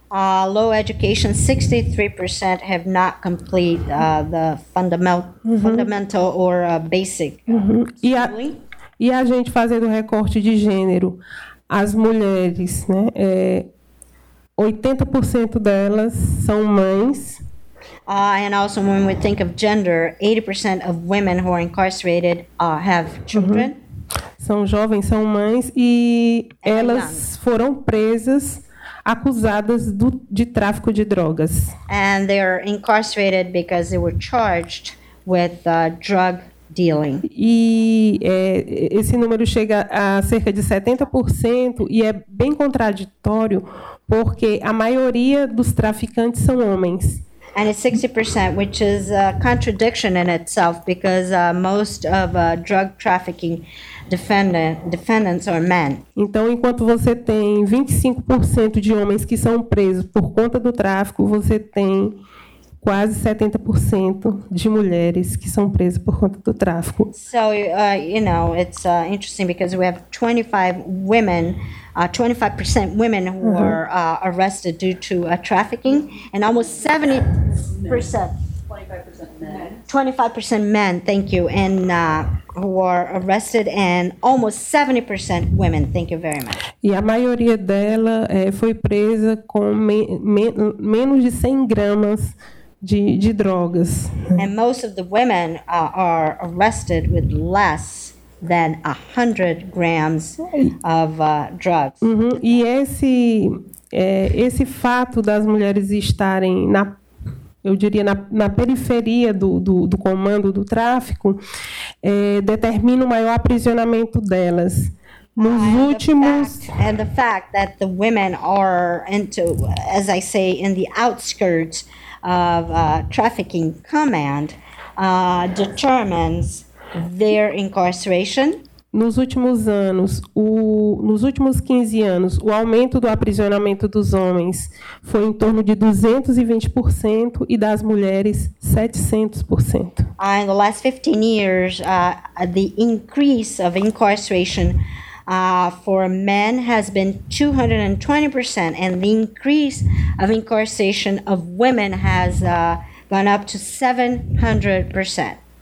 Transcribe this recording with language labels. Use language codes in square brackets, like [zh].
[en] Low education, 63% have not completed the fundamental or basic schooling. [pt] E a gente fazendo recorte de gênero, as mulheres, né, 80% delas são mães. [en] And also when we think of gender, 80% of women who are incarcerated have children. Uh-huh. [pt] São jovens, são mães e elas foram presas, acusadas de tráfico de drogas. [en] And they are incarcerated because they were charged with drug dealing. [pt] E esse número chega a cerca de 70% e é bem contraditório porque a maioria dos traficantes são homens. [en] and it's 60%, which is a contradiction in itself, because most of drug trafficking defendants are men. [pt] Então, enquanto você tem 25% de homens que são presos por conta do tráfico, você tem quase 70% de mulheres que são presas por conta do tráfico. [en] So, you know, it's interesting because we have 25% women who are arrested due to trafficking, and almost 70%. 25% men. 25% men, thank you, and who are arrested, and almost 70% women. Thank you very much. [pt] E a maioria dela foi presa com menos de 100 gramas de drogas. [en] And most of the women are arrested with less than 100 grams of drugs. Uhum. [pt] E esse fato das mulheres estarem na periferia do comando do tráfico, determina o maior aprisionamento delas. [en] And the fact that the women are into, as I say, in the outskirts of trafficking command, determines their incarceration. [pt] Nos últimos 15 anos, o aumento do aprisionamento dos homens foi em torno de 220% e das mulheres 700%. [en] In the last 15 years, the increase of incarceration for men has been 220%, and the increase of incarceration of women has gone up to 700%.